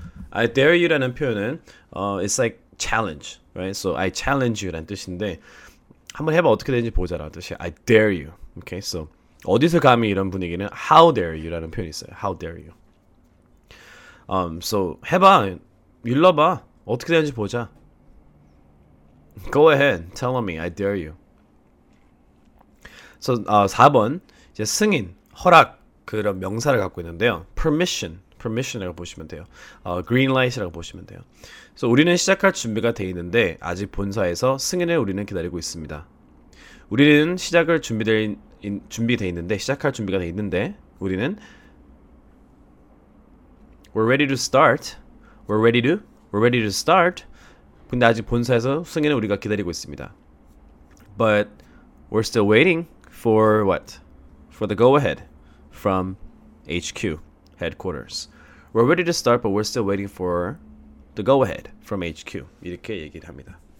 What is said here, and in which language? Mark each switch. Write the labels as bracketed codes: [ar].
[en] I dare you [ko] 라는 표현은 [en] it's like challenge, right? [ko] So [en] I challenge you [ko] 라는 뜻인데 한번 해봐 어떻게 되는지 보자라는 뜻이 [en] I dare you. Okay, so [ko] 어디서 감히 이런 분위기는 [en] how dare you [ko] 라는 표현이 있어요. [en] How dare you. [ko] So 해봐, 일러봐 어떻게 되는지 보자. [en] Go ahead, tell me, I dare you. [ko] So 4번 이제 승인, 허락 그런 명사를 갖고 있는데요. Permission. permission이라고 보시면 돼요. green light이라고 보시면 돼요. 그래서 우리는 시작할 준비가 돼 있는데 아직 본사에서 승인을 우리는 기다리고 있습니다. 우리는 시작할 준비돼 있는데 시작할 준비가 돼 있는데 우리는 [en] we're ready to start. we're ready to start. [ko] 근데 아직 본사에서 승인을 우리가 기다리고 있습니다. [en] But we're still waiting for what? For the go-ahead from HQ, headquarters. We're ready to start, but we're still waiting for the go-ahead from HQ. [ko] 이렇게 얘기를 합니다.